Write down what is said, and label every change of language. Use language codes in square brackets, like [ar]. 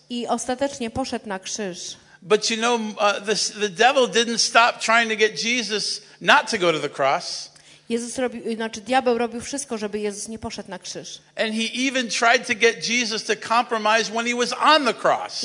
[pl] I ostatecznie poszedł na krzyż. [en] But you know, the devil didn't stop trying to get Jesus not to go to the cross. [pl] Jezus robił, znaczy diabeł robił wszystko, żeby Jezus nie poszedł na krzyż. [en] And he even tried to get Jesus to compromise when he was on the cross.